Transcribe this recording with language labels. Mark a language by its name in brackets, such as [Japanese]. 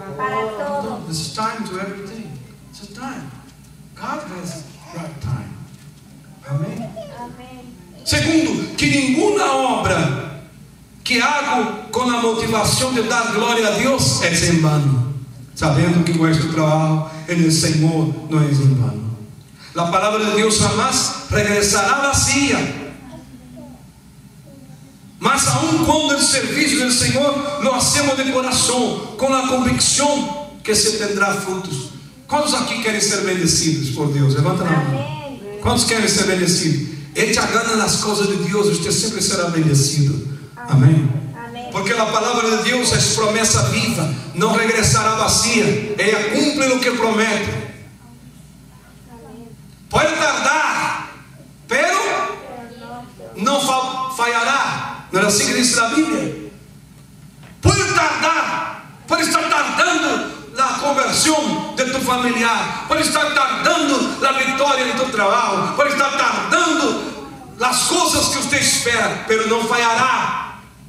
[Portuguese] Para todo. [English] There's time to everything. There's time. God has right time. Amém? Amém. [Portuguese] Segundo, que nenhuma obra que hago com a motivação de dar glória a Deus é em vano. [Spanish] Sabendo que nuestro trabajo en el Señor no es en vano. La palabra de Dios jamás regresará vacía. Mas aun cuando el servicio del Señor lo hacemos de corazón, con la convicción que se tendrá frutos. ¿Cuántos aquí quieren ser bendecidos por Dios? Levanta la mano. ¿Cuántos quieren ser bendecidos? Echa ganas las cosas de Dios, usted siempre será bendecido. Amén. [Portuguese] Porque a palavra de Deus é promessa viva, não regressará vacia. Ela cumpre o que promete. Pode tardar, pero não falhará. Não é assim que diz na Bíblia? Pode tardar, pode estar tardando na conversão de tu familiar, pode estar tardando na vitória de tu trabalho, pode estar tardando nas coisas que você espera, pero não falhará.